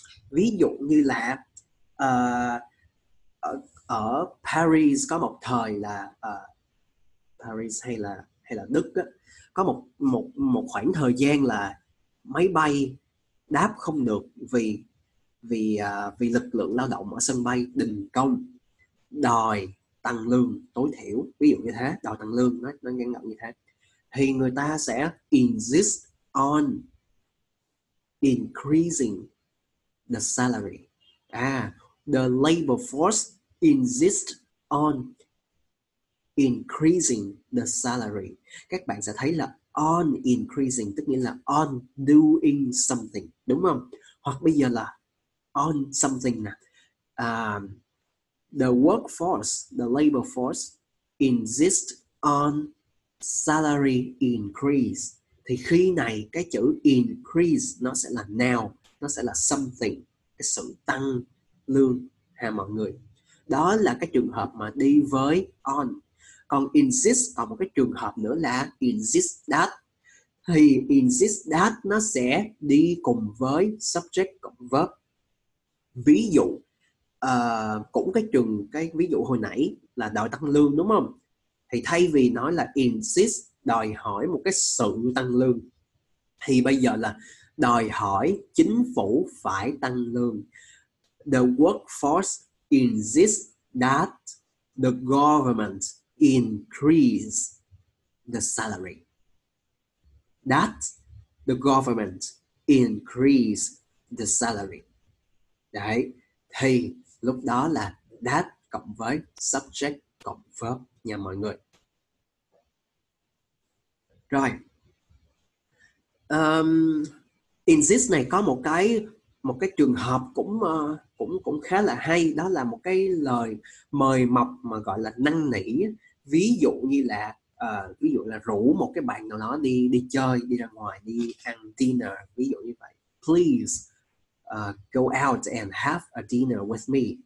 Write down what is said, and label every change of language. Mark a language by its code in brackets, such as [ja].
[vi] Ví dụ như là ở Paris có một thời là Paris hay là Đức á, có một khoảng thời gian là máy bay đáp không được vì lực lượng lao động ở sân bay đình công đòi tăng lương tối thiểu, ví dụ như thế, đòi tăng lương, nó ngắn gọn như thế, thì người ta sẽ [en] insist on increasing the salary. À, the labor force insist on increasing the salary. [vi] Các bạn sẽ thấy là on increasing, tức nghĩa là on doing something, đúng không? Hoặc bây giờ là on something nè. [en] The workforce, the labor force insist on salary increase. [vi] Thì khi này cái chữ increase nó sẽ là now, nó sẽ là something, cái sự tăng lương ha mọi người. Đó là cái trường hợp mà đi với on. Còn insist ở một cái trường hợp nữa là insist that. Thì insist that nó sẽ đi cùng với subject cộng verb. Ví dụ cũng cái trường cái ví dụ hồi nãy là đòi tăng lương đúng không? Thì thay vì nói là insist đòi hỏi một cái sự tăng lương thì bây giờ là đòi hỏi chính phủ phải tăng lương. [en] The workforce insists that the government increase the salary. That the government increase the salary. [vi] Đấy, thì lúc đó là that cộng với subject cộng verb nha mọi người. Rồi, insist này có một cái trường hợp cũng khá là hay, đó là một cái lời mời mọc mà gọi là năn nỉ. Ví dụ như là rủ một cái bạn nào đó đi chơi, đi ra ngoài, đi ăn dinner, ví dụ như vậy. [en] Please go out and have a dinner with me.